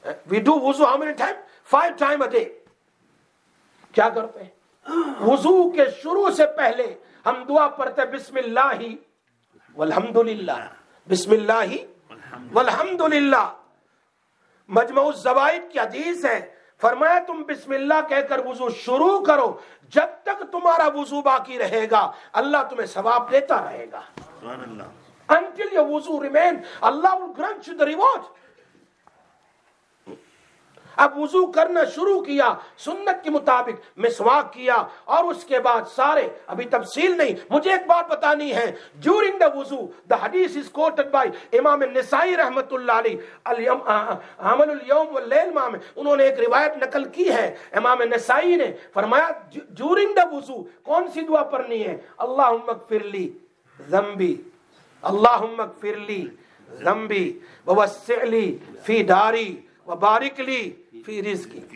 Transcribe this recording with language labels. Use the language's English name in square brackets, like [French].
[English] We do وضو how many time, 5 time a. [Urdu] کیا کرتے ہیں وضو کے شروع سے پہلے ہم دعا پڑھتے, بسم اللہ والحمد للہ, بسم اللہ والحمدللہ مجمع الزوائد کی حدیث ہے, فرمایا تم بسم اللہ کہہ کر وضو شروع کرو, جب تک تمہارا وضو باقی رہے گا اللہ تمہیں ثواب دیتا رہے گا. سبحان اللہ. [English] Until your wuzu remain, Allah will grant you the reward. [Urdu] اب وضو کرنا شروع کیا سنت کے مطابق, مسواک کیا, اور اس کے بعد سارے, ابھی تفصیل نہیں, مجھے ایک بات بتانی ہے. [English] During the وضو, the حدیث is quoted by [Urdu] امام النسائی رحمت اللہ علیہ, عمل اليوم واللیل مام, انہوں نے ایک روایت نقل کی ہے, امام النسائی نے فرمایا [English] During the وضو [Urdu] کون سی دعا پڑھنی ہے, [Arabic] اللہم اغفر لی ذنبی, اللہم اغفر لی ذنبی, ووسع لی فی داری, بارک لی فی رزقی.